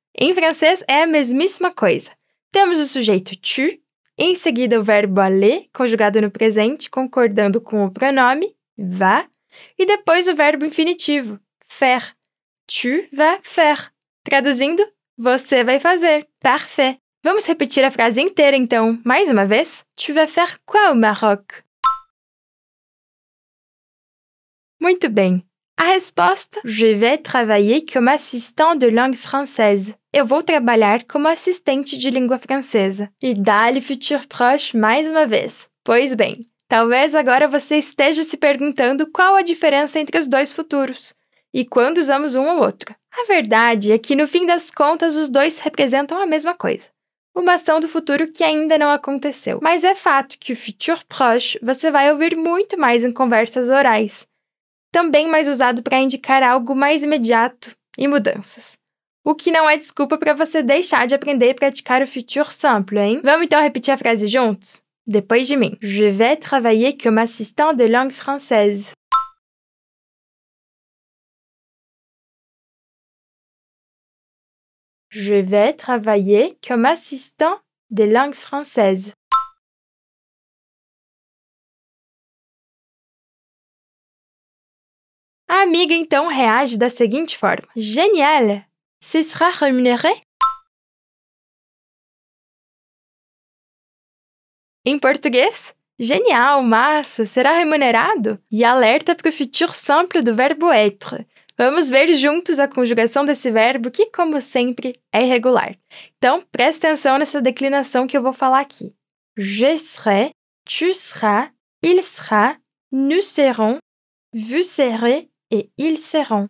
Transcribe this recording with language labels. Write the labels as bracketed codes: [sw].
[pt] Em francês é a mesmíssima coisa. Temos o sujeito tu, em seguida o verbo aller, conjugado no presente, concordando com o pronome, va, e depois o verbo infinitivo, faire. [fr] Tu vas faire. [pt] Traduzindo, você vai fazer. Parfait. Vamos repetir a frase inteira, então, mais uma vez. [fr] Tu vas faire quoi au Maroc? [pt] Muito bem. A resposta, [fr] je vais travailler comme assistant de langue française. [pt] Eu vou trabalhar como assistente de língua francesa. E dá-lhe futur proche mais uma vez. Pois bem, talvez agora você esteja se perguntando qual a diferença entre os dois futuros e quando usamos um ou outro. A verdade é que, no fim das contas, os dois representam a mesma coisa. Uma ação do futuro que ainda não aconteceu. Mas é fato que o futur proche você vai ouvir muito mais em conversas orais. Também mais usado para indicar algo mais imediato e mudanças. O que não é desculpa para você deixar de aprender e praticar o futur simple, hein? Vamos então repetir a frase juntos? Depois de mim. [fr] Je vais travailler comme assistant de langue française. Je vais travailler comme assistant de langue française. [pt] A amiga, então, reage da seguinte forma. Génial! [fr] Ce sera rémunéré? [pt] Em português, genial, massa, será remunerado? E alerta para o futur simple do verbo être. Vamos ver juntos a conjugação desse verbo que, como sempre, é irregular. Então, preste atenção nessa declinação que eu vou falar aqui. [fr] Je serai, tu seras, il sera, nous serons, vous serez et ils seront.